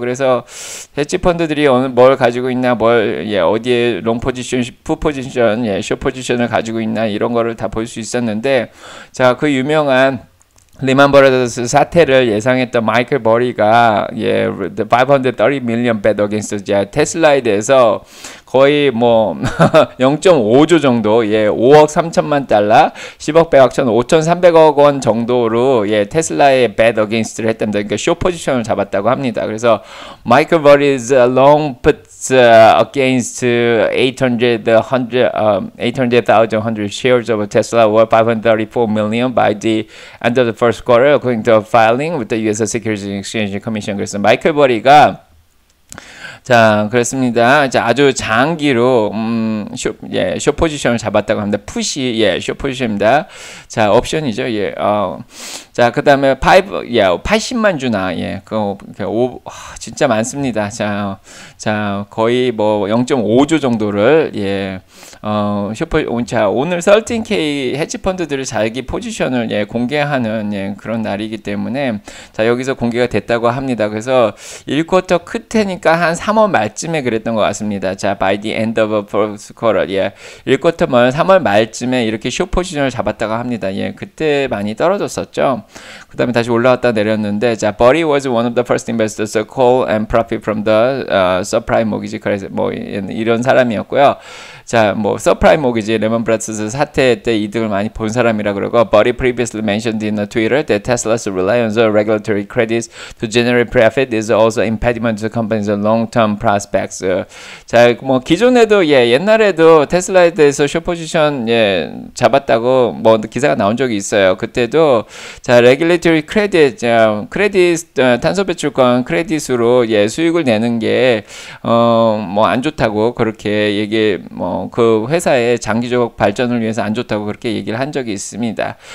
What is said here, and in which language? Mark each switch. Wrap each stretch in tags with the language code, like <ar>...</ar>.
<ko>그래서 헤지펀드들이 오늘 뭘 가지고 있나, 뭘, 예, 어디에 롱 포지션, 풀 포지션, 예, 숏 포지션을 가지고 있나, 이런 거를 다 볼 수 있었는데, 자, 그 유명한, 리만 브라더스 사태를 예상했던 마이클 버리가 예</ko> <en>530 million bet against</en> <ko>테슬라에 대해서 거의 뭐 0.5조 정도 예 5억 3천만 달러 10억 100억 5,300억 원 정도로 예 테슬라의 bet against를 했답니다. 그러니까 숏 포지션을 잡았다고 합니다. 그래서</ko> <en>마이클 버리's long puts against 800,000 shares of Tesla worth 534 million by the end of the first quarter according to filing with the US Securities and Exchange Commission.</en> <ko>그래서 마이클 버리가 자 그렇습니다. 자 아주 장기로 숏 포지션을 잡았다고 합니다. 푸시 예 숏 포지션입니다. 자 옵션이죠. 예 어 자 그 다음에 80만 주나 예 그 진짜 많습니다. 자 거의 뭐 0.5조 정도를 예 어 슈퍼 자 오늘 13K 헤지펀드들을 자기 포지션을 예 공개하는 예 그런 날이기 때문에 자 여기서 공개가 됐다고 합니다. 그래서 1쿼터 끝에니까 한 3월 말쯤에 그랬던 것 같습니다. 자</ko> <en>by the end of the first quarter</en> <ko>예 1쿼터 말 3월 말쯤에 이렇게 숏 포지션을 잡았다고 합니다. 예 그때 많이 떨어졌었죠. 그 다음에 다시 올라왔다 내렸는데 자</ko> <en>Buddy was one of the first investors to call and profit from the subprime mortgage crisis</en> <ko>뭐 이런 사람이었고요. 자, 뭐 서프라임 모기지 레먼 브라더스 사태 때 이득을 많이 본 사람이라 그러고</ko> <en>Buddy previously mentioned in a Twitter that Tesla's reliance on regulatory credits to generate profit is also impediment to the company's long-term prospects.</en> <ko>자, 뭐 기존에도 예, 옛날에도 테슬라에 대해서 숏 포지션 예, 잡았다고 뭐 기사가 나온 적이 있어요. 그때도 자, regulatory credit 자, 크레딧 탄소 배출권 크레딧으로 예, 수익을 내는 게 뭐 안 좋다고 그렇게 얘기 뭐 그 회사의 장기적 발전을 위해서 안 좋다고 그렇게 얘기를 한 적이 있습니다.</ko>